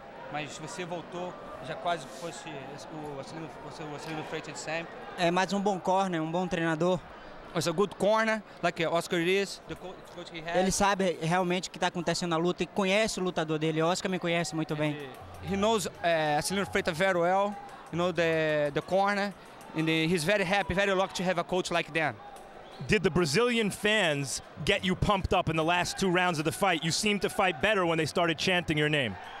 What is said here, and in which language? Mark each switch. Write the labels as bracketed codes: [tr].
[pt] Mas você voltou, já quase fosse o Acelino Frietas de sempre. É mais bom corner, bom treinador. [en] It's a good corner, like Oscar it is. The coach he has. [pt] Ele sabe realmente o que está acontecendo na luta e conhece o lutador dele. Oscar me conhece muito bem. [en] He knows Acelino Frietas very well, you know the corner, and he's very happy, very lucky to have a coach like that. Did the Brazilian fans get you pumped up in the last two rounds of the fight? You seemed to fight better when they started chanting your name.